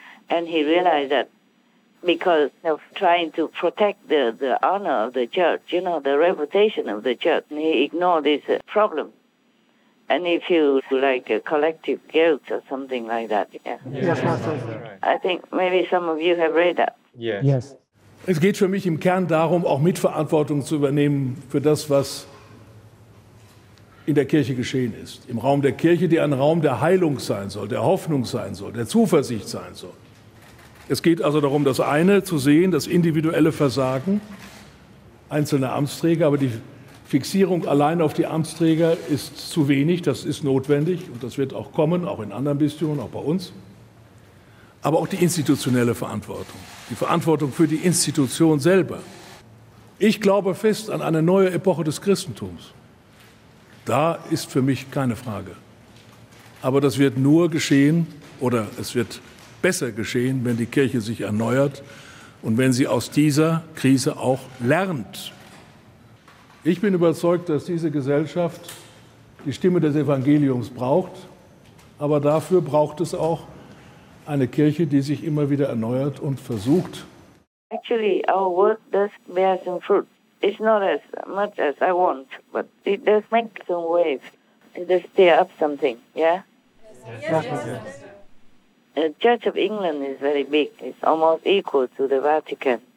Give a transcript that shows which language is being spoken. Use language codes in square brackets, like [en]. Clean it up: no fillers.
[en] And he realized that because of trying to protect the honor of the church, you know, the reputation of the church, he ignored this problem. And if you like a collective guilt or something like that, yeah. I think maybe some of you have read that. Yes. [de] Es geht für mich im Kern darum, auch Mitverantwortung zu übernehmen für das, was in der Kirche geschehen ist. Im Raum der Kirche, die ein Raum der Heilung sein soll, der Hoffnung sein soll, der Zuversicht sein soll. Es geht also darum, das eine zu sehen, das individuelle Versagen einzelner Amtsträger, aber die Fixierung allein auf die Amtsträger ist zu wenig, das ist notwendig und das wird auch kommen, auch in anderen Bistümern, auch bei uns. Aber auch die institutionelle Verantwortung, die Verantwortung für die Institution selber. Ich glaube fest an eine neue Epoche des Christentums. Da ist für mich keine Frage. Aber das wird nur geschehen oder es wird besser geschehen, wenn die Kirche sich erneuert und wenn sie aus dieser Krise auch lernt. Ich bin überzeugt, dass diese Gesellschaft die Stimme des Evangeliums braucht, Aber dafür braucht es auch eine Kirche, die sich immer wieder erneuert und versucht. [en] Actually, our work does bear some fruit. It's not as much as I want, but it does make some waves. It does stir up something, yeah? Yes, yes, yes. The Church of England is very big. It's almost equal to the Vatican.